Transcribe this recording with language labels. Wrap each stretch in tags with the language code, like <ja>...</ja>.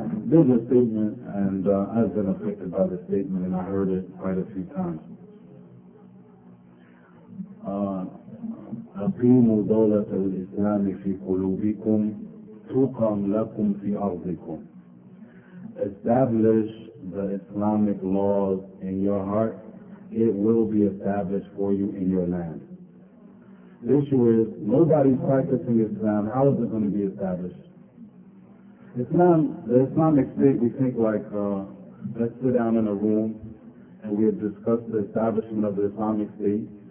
<en>There's a statement, and I've been affected by the statement, and I heard it quite a few times.</en> <ar>أقيموا دولة الإسلام في قلوبكم تقام لكم في أرضكم.</ar> <en>Establish the Islamic laws in your heart. It will be established for you in your land. The issue is, nobody's practicing Islam. How is it going to be established? Islam, the Islamic State, we think like, let's sit down in a room and we discuss the establishment of the Islamic State.</en>